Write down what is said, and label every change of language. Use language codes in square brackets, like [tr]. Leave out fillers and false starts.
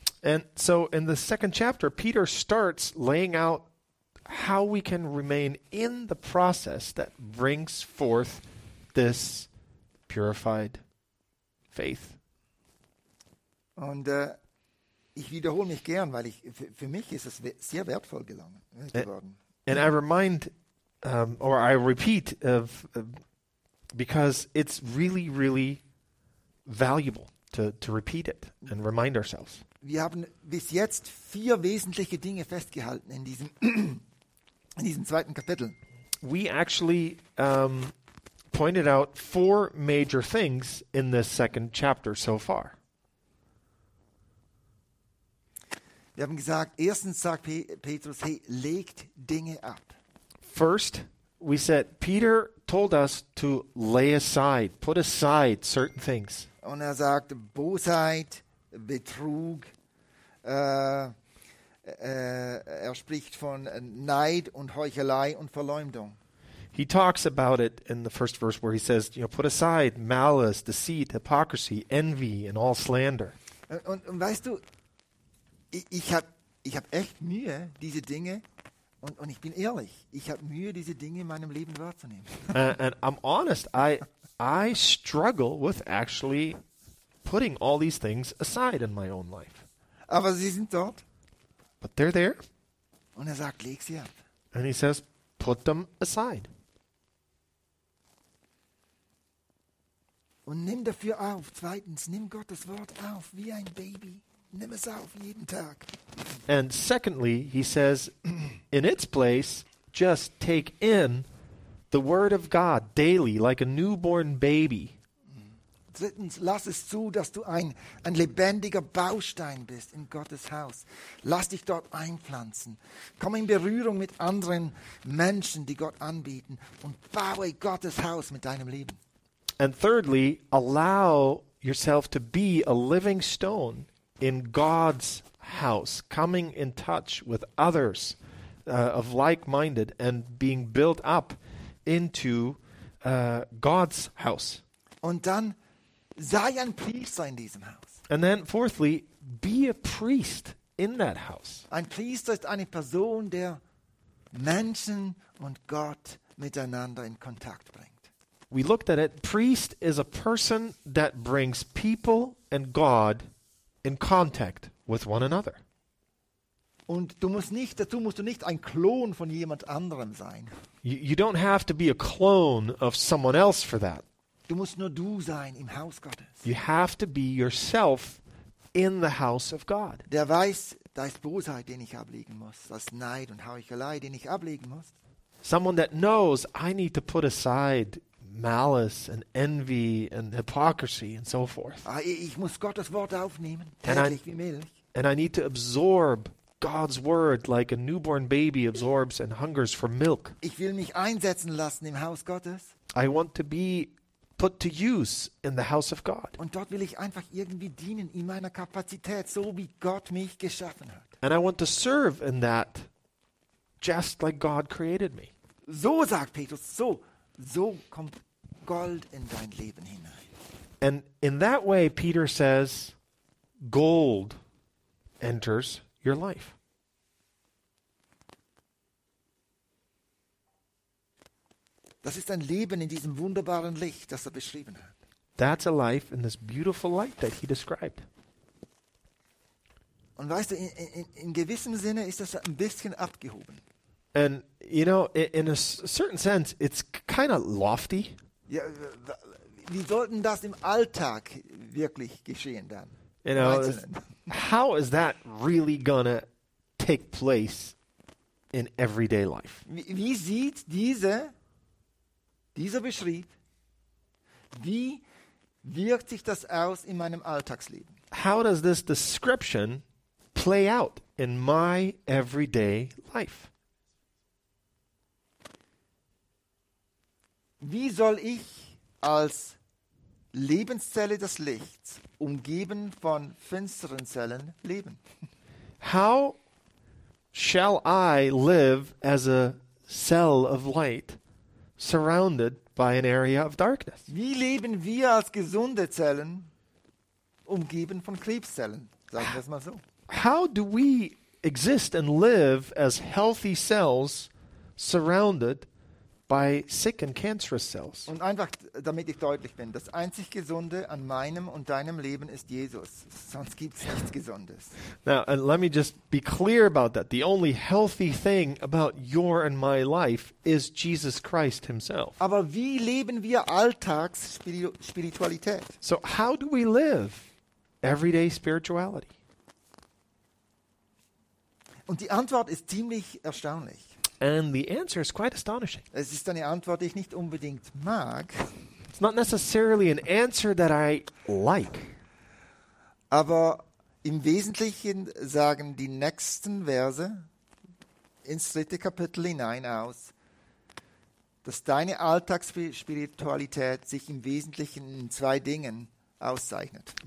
[en] And so in the second chapter, Peter starts laying out how we can remain in the process that brings forth this purified faith. [de] Und ich wiederhole mich gern, weil ich für mich ist es sehr wertvoll gelungen geworden. [en] And I remind or I repeat of because it's really really valuable to repeat it and remind ourselves. [de] Wir haben bis jetzt vier wesentliche Dinge festgehalten in diesem zweiten Kapitel. [en] We actually pointed out four major things in this second chapter so far. [de] Wir haben gesagt, erstens sagt Petrus, hey, legt Dinge ab. [en] First, we said Peter told us to lay aside, put aside certain things. [de] Und er sagt Bosheit, Betrug, er spricht von Neid und Heuchelei und Verleumdung. [en] He talks about it in the first verse where he says, you know, put aside malice, deceit, hypocrisy, envy and all slander. [de] Und weißt du, ich hab echt Mühe, diese Dinge, und ich bin ehrlich, ich habe Mühe, diese Dinge in meinem Leben wahrzunehmen. [en] And I'm honest, I struggle with actually putting all these things aside in my own life. [de] Aber sie sind dort. [en] But they're there. [de] Und er sagt, leg sie ab. [en] And he says, put them aside. [de] Und nimm dafür auf, zweitens, nimm Gottes Wort auf, wie ein Baby. Nimm es auf jeden Tag. [en] And secondly, he says, in its place, just take in the word of God daily, like a newborn baby. [de] Drittens, lass es zu, dass du ein lebendiger Baustein bist in Gottes Haus. Lass dich dort einpflanzen. Komm in Berührung mit anderen Menschen, die Gott anbieten, und baue Gottes Haus mit deinem Leben. [en] And thirdly, allow yourself to be a living stone in God's house, coming in touch with others of like-minded and being built up into God's house. [de] Und dann sei ein Priester in diesem Haus. [en] And then fourthly, be a priest in that house. [de] Ein Priester ist eine Person, der Menschen und Gott miteinander in Kontakt bringt. [en] We looked at it. Priest is a person that brings people and God in contact with one another. [de] Und du musst nicht, dazu musst du nicht ein Klon von jemand anderem sein. [en] You don't have to be a clone of someone else for that. [de] Du musst nur du sein im Haus Gottes. [en] You have to be yourself in the house of God. [de] Der weiß, da ist Bosheit, den ich ablegen muss, das ist Neid und Heuchelei, den ich ablegen muss. [en] Someone that knows I need to put aside malice and envy and hypocrisy and so forth. [de] Ich muss Gottes Wort aufnehmen, täglich wie Milch. [en] And I need to absorb God's word like a newborn baby absorbs and hungers for milk. [de] Ich will mich einsetzen lassen im Haus Gottes. [en] I want to be put to use in the house of God. [de] Und dort will ich einfach irgendwie dienen in meiner Kapazität, so wie Gott mich geschaffen hat. [en] And I want to serve in that just like God created me. [de] So sagt Petrus, so kommt Gold in dein Leben hinein. [en] And in that way, Peter says, gold enters your life. [de] Das ist ein Leben in diesem wunderbaren Licht, das er beschrieben hat. [en] That's a life in this beautiful light that he described. [de] Und weißt du, in gewissem Sinne ist das ein bisschen abgehoben. [en] And you know, in a certain sense, it's kind of lofty. [de] Ja, wie sollten das im Alltag wirklich geschehen dann? [en] You know, how is that really gonna take place in everyday life? [de] Wie sieht dieser Beschrieb, wie wirkt sich das aus in meinem Alltagsleben? [en] How does this description play out in my everyday life? [de] Wie soll ich als Lebenszelle des Lichts, umgeben von finsteren Zellen, leben? [en] How shall I live as a cell of light surrounded by an area of darkness? [de] Wie leben wir als gesunde Zellen, umgeben von Krebszellen? Sagen wir es mal so. [en] How do we exist and live as healthy cells surrounded by sick and cancerous cells? [de] Und einfach damit ich deutlich bin, das einzig Gesunde an meinem und deinem Leben ist Jesus. Sonst gibt's nichts Gesundes. [en] Now, and let me just be clear about that. The only healthy thing about your and my life is Jesus Christ himself. [de] Aber wie leben wir alltags Spiritualität? [en] So how do we live everyday spirituality? [de] Und die Antwort ist ziemlich erstaunlich. [en] And the answer is quite astonishing. [de] Es ist eine Antwort, die ich nicht unbedingt mag. [en] It's not necessarily an answer that I like. [de] Aber im Wesentlichen sagen die nächsten Verse ins dritte Kapitel hinein aus, dass deine Alltagsspiritualität sich im Wesentlichen in zwei Dingen auszeichnet.